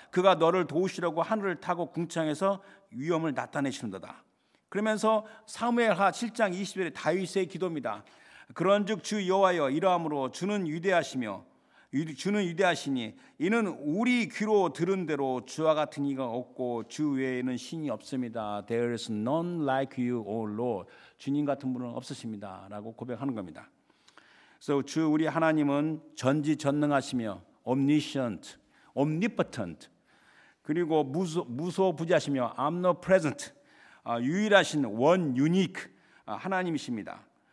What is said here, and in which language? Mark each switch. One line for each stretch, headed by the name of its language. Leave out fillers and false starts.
Korean: 그가 너를 도우시려고 하늘을 타고 궁창에서 위엄을 나타내시는도다. 그러면서 사무엘하 7장 20절에 다윗의 기도입니다. 그런즉 주 여호와여 이러함으로 주는 위대하시며 주는 위대하시니 이는 우리 귀로 들은 대로 주와 같은 이가 없고 주 외에는 신이 없습니다.
English: There is none like you, O Lord.
Korean: 주님 같은 분은 없으십니다. 라고 고백하는 겁니다. So 주 우리 하나님은 전지전능하시며 omniscient, omnipotent 그리고 무소부지하시며 omnipresent 유일하신 원 유니크 하나님이십니다.